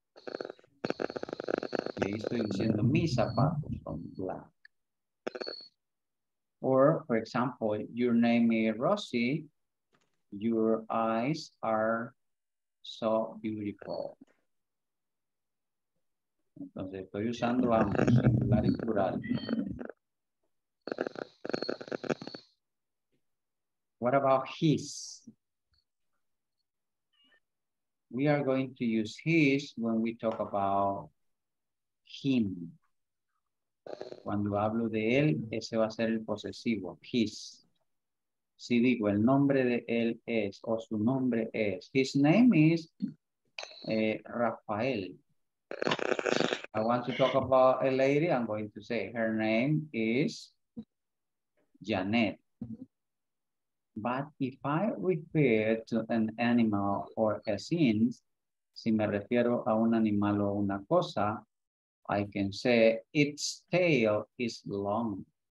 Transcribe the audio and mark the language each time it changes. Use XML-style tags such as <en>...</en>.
<es>Y ahí estoy diciendo, mis zapatos son black.</es> <en>Or, for example, your name is Rosie, your eyes are so beautiful.</en> <es>Entonces estoy usando ambos, singular y plural.</es> <en>What about his? We are going to use his when we talk about him.</en> <es>Cuando hablo de él, ese va a ser el posesivo, his. Si digo el nombre de él es, o su nombre es,</es> <en>his name is Rafael. I want to talk about a lady, I'm going to say her name is Janet. But if I refer to an animal or a scene,</en> <es>si me refiero a un animal o una cosa,</es> <en>I can say its tail is long.</en>